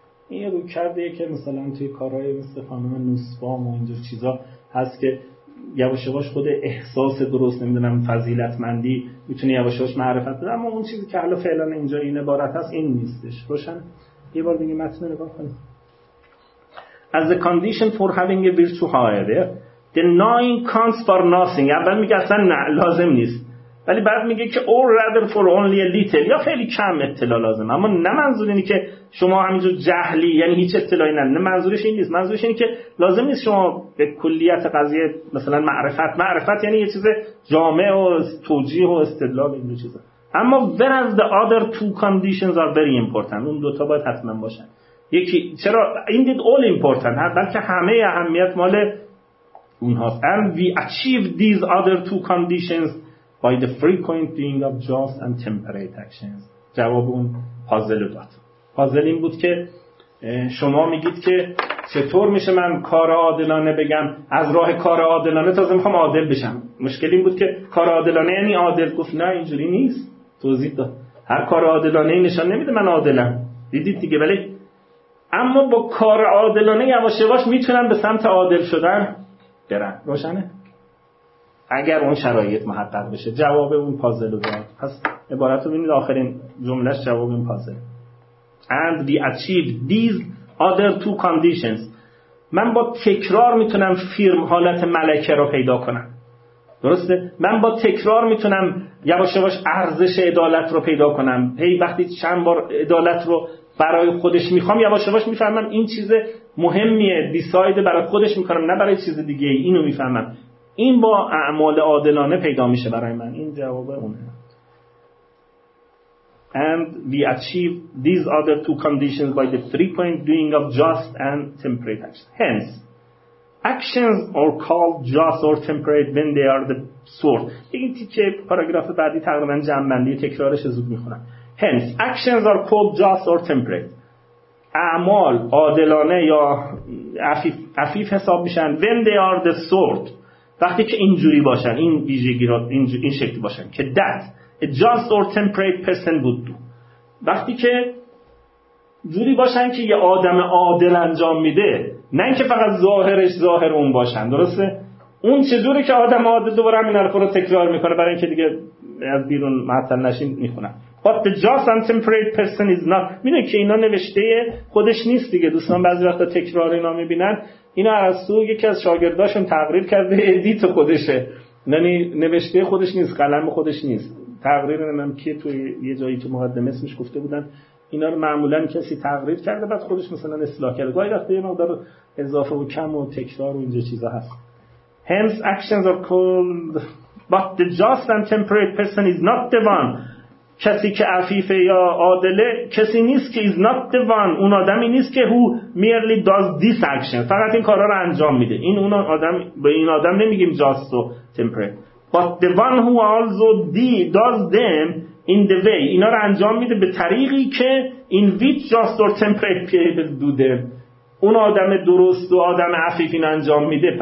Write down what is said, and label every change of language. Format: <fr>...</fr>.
<fa>این یه رویکرده که مثلا توی کارهای مثل خانم نوسبام و اینجور چیزا هست که یواش یواش خود احساس درست نمیدونم فضیلتمندی میتونه یواش یواش معرفت بده، اما اون چیزی که حالا فعلا اینجا این عبارت هست این نیستش. روشن؟ یه بار دیگه متن رو نگاه کنیم.</fa> <en>As the condition for having a virtue however the knowing counts for nothing.</en> <fa>اول میگه اصلا نه لازم نیست، ولی بعد میگه که</fa> <en>or rather for only a little،</en> <fa>یا خیلی کم اطلاع لازم، اما نه منظور اینی که شما همینجور جهلی یعنی هیچ اطلاعی نداری، نه منظورش این نیست، منظورش اینی که لازم نیست شما به کلیت قضیه مثلا معرفت، معرفت یعنی یه چیز جامع و توجیه و استدلال اینجور چیزا، اما</fa> <en>whereas the other two conditions are very important،</en> <fa>اون دوتا باید حتما باشن. یکی چرا</fa> <en>indeed all important،</en> <fa>بلکه همه اهمیت مال اونهاست.</fa> <en>And we achieve these other two conditions by the frequent doing of just and temperate actions.</en> <fa>جواب اون پازل رو داد. پازل این بود که شما میگید که چطور میشه من کار عادلانه بگم، از راه کار عادلانه تازه میخوام عادل بشم. مشکل این بود که کار عادلانه یعنی عادل؟ گفت نه اینجوری نیست. توضیح داد هر کار عادلانه نشان نمیده من عادلم، دیدید دیگه. ولی اما با کار عادلانه یواش یواش میتونم به سمت عادل شدن برم. روشنه؟ اگر اون شرایط محقق بشه. جواب اون پازل رو داد. پس عبارت رو ببینید آخرین جملهش جواب این پازل.</fa> <en>And we achieve these other two conditions.</en> <fa>من با تکرار میتونم فیرم حالت ملکه رو پیدا کنم. درسته؟ من با تکرار میتونم یواش یواش ارزش عدالت رو پیدا کنم. هی وقتی چند بار عدالت رو برای خودش میخوام یواش یواش میفهمم این چیز مهمیه. دیساید برای خودش میکنم نه برای چیز دیگه. اینو میفهمم. این با اعمال عادلانه پیدا میشه برای من. این جواب اونه.</fa> <en>And we achieve these other two conditions by the frequent doing of just and temperate actions. Hence, actions are called just or temperate when they are the sort.</en> <fa>این تیکه پاراگراف بعدی تقریبا جمع‌بندی تکرارش رو زود میخونم.</fa> <en>Hence, actions are called just or temperate.</en> <fa>اعمال عادلانه یا عفیف حساب میشن</fa> <en>when they are the sort.</en> <fa>وقتی که اینجوری باشن، این ویژگی را این شکلی باشن که</fa> <en>that a just or temperate person would do.</en> <fa>وقتی که جوری باشن که یه آدم عادل انجام میده، نه این که فقط ظاهرش ظاهر اون باشن. درسته؟ اون چه جوری که آدم عادل، دوباره همین حرف رو تکرار میکنه برای اینکه دیگه از بیرون معطل نشین میخونم.</fa> <en>But the just and temperate person is not.</en> <fa>میدونی که اینا نوشته خودش نیست دیگه. دوستان بعضی وقتا تکرار اینا میبینن، اینا ارسطو یکی از شاگرداشون تقریر کرده، ادیت خودشه، یعنی نوشته خودش نیست، قلم خودش نیست. تقریر منم که توی یه جایی تو مقدمه اسمش گفته بودن، اینا رو معمولا کسی تقریر کرده بعد خودش مثلا اصلاح کرده، گاهی وقتا یه مقدار اضافه و کم و تکرار و اینجا چیزا هست.</fa> <en>Hence actions are called but the just and temperate person is not the one.</en> <fa>کسی که عفیفه یا عادله کسی نیست که</fa> <en>is not the one،</en> <fa>اون آدمی نیست که</fa> <en>who merely does this action،</en> <fa>فقط این کارها رو انجام میده. این اون آدم، به این آدم نمیگیم just و temperate.</fa> <en>But the one who also does them in the way،</en> <fa>اینا رو انجام میده به طریقی که</fa> <en>in which just or temperate people do them،</en> <fa>اون آدم درست و آدم عفیف این انجام میده.</fa>